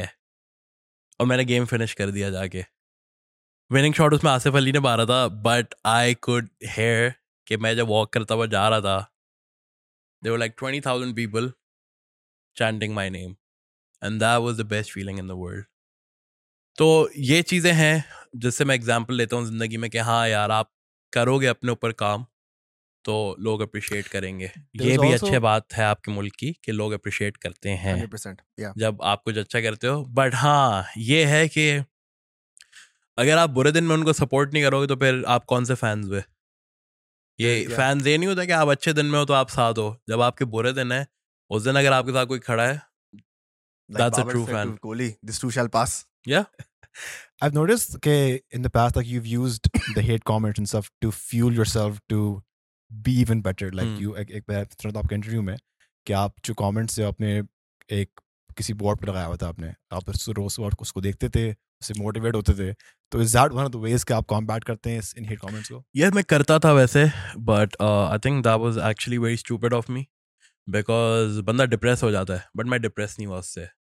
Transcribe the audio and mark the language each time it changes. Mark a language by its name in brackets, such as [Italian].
[Hindi] hai. Aur maine game finish kar diya jaake. [English] Winning shot [Hindi] usme Asif Ali ne mara tha, [English] but I could hear [Hindi] ke main jab walk karta hua ja raha tha, [English] there were like 20,000 people chanting my name. And that was the best feeling in the world. [Hindi] तो ये चीजें हैं जिससे मैं example लेता हूँ जिंदगी में कि हाँ यार आप करोगे अपने ऊपर काम तो लोग अप्रिशिएट करेंगे. ये भी अच्छी बात है आपके मुल्क की कि लोग अप्रिशिएट करते हैं [English] 100%, yeah. [Hindi] जब आप कुछ अच्छा करते हो. बट हाँ ये है कि अगर आप बुरे दिन में उनको सपोर्ट नहीं करोगे तो फिर आप कौन से फैंस हुए. ये फैंस ये नहीं होता कि आप अच्छे दिन में हो तो आप साथ हो. जब आपके बुरे दिन है उस दिन अगर आपके साथ कोई खड़ा है, [English] that's Babar a true fan. Kohli, this too shall pass. Yeah. I've noticed that in the past, like, you've used the hate comments and stuff to fuel yourself to be even better. Like, you, [Hindi] ek, ek, ek, interview mein, ki aap jo comments se apne ek किसी board पर लगाया हुआ था आपने, आप रोज board उसको देखते थे, उसे मोटिवेट होते थे, तो [English] is that one of the ways [Hindi] के आप कॉम्बैट करते हैं इन हेट कमेंट्स को? यस, मैं करता था वैसे, [English] but I think that was actually very stupid of me, because [Hindi] बंदा डिप्रेस हो जाता है, बट मैं डिप्रेस नहीं हुआ उससे.